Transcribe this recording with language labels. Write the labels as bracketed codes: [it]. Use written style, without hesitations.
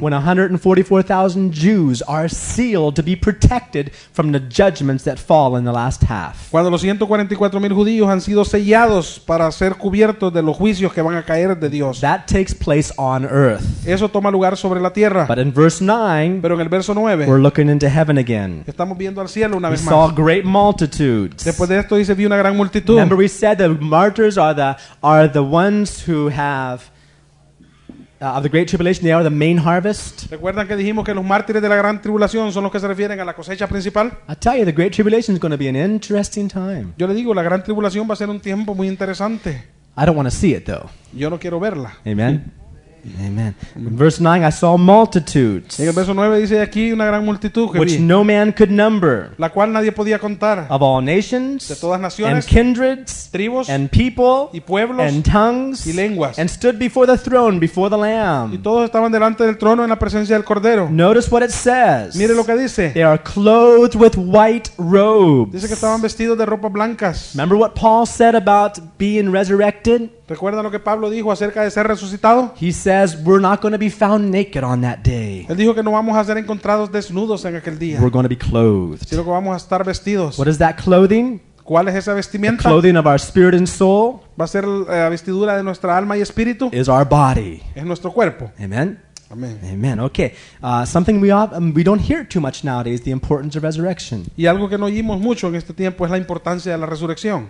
[en] When 144,000 Jews are sealed to be protected from the judgments that fall in the last half. [es] Cuando los 144,000 judíos han sido sellados para ser cubiertos de los juicios que van a caer de Dios. [en] That takes place on earth. [es] Eso toma lugar sobre la tierra. [en] But in verse 9, [es] pero en el verso 9, [en] we're looking into heaven again. [es] estamos viendo al cielo una vez más. [en] He saw great multitudes. [es] Después de esto dice vi una gran multitud. [en] Remember we said the martyrs are the ones who have of the great tribulation, they are the main harvest. [es] ¿Recuerdan que dijimos que los mártires de la gran tribulación son los que se refieren a la cosecha principal? [en] I tell you, the great tribulation is going to be an interesting time. [es] Yo le digo, la gran tribulación va a ser un tiempo muy interesante. [en] I don't want to see it though. [es] Yo no quiero verla. [en] Amen. Amen. In verse 9, I saw multitudes. [es] En el verso 9 dice aquí una gran multitud que [en] which no man could number. [es] La cual nadie podía contar. [en] Of all nations, [es] de todas naciones, [en] and kindreds, [es] tribus, [en] and people, [es] y pueblos, [en] and tongues, [es] y lenguas, [en] and stood before the throne, before the Lamb. [es] Y todos estaban delante del trono en la presencia del Cordero. [en] Notice what it says. [es] Mire lo que dice. [en] They are clothed with white robes. [es] Dice que estaban vestidos de ropas blancas. [en] Remember what Paul said about being resurrected? [es] ¿Recuerdan lo que Pablo dijo acerca de ser resucitado? [en] He says, we're not going to be found naked on that day. [es] Él dijo que no vamos a ser encontrados desnudos en aquel día. [en] We're going to be clothed. [es] Sino que vamos a estar vestidos. [en] What is that clothing? [es] ¿Cuál es esa vestimenta? [en] The clothing of our spirit and soul. [es] Va a ser la vestidura de nuestra alma y espíritu. [en] Is our body. [es] Es nuestro cuerpo. [en] Amen. [es] Amen. [en] Amen. Okay. Something we don't hear too much nowadays is the importance of resurrection. [es] Y algo que no oímos mucho en este tiempo es la importancia de la resurrección.